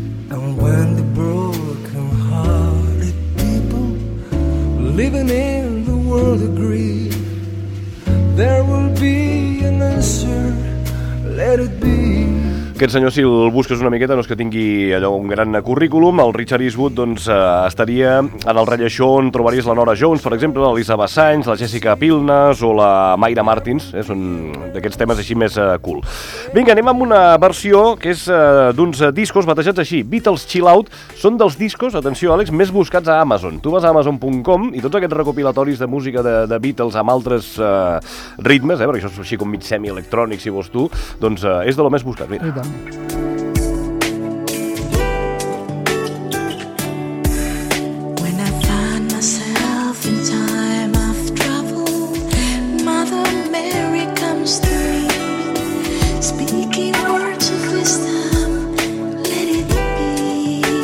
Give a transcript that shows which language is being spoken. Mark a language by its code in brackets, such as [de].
[en] And when the broken hearted people living in the world agree, there will be an answer, let it be. [ca] Aquest senyor, si el busques una miqueta, no és que tingui allò un gran currículum, el Richard Eastwood doncs, estaria en el relleixó on trobaries la Nora Jones, per exemple, l'Elisabeth Sainz, la Jessica Pilnes o la Mayra Martins, són d'aquests temes així més cool. Vinga, anem amb una versió que és d'uns discos batejats així, Beatles Chill Out, són dels discos, atenció Àlex, més buscats a Amazon. Tu vas a Amazon.com i tots aquests recopilatoris de música de Beatles amb altres ritmes, perquè això és així com mig semi-electrònic, si vols tu, doncs és de lo més buscat, mira. [en] When I find myself in time of trouble, Mother Mary comes to me, speaking words of wisdom, let it be.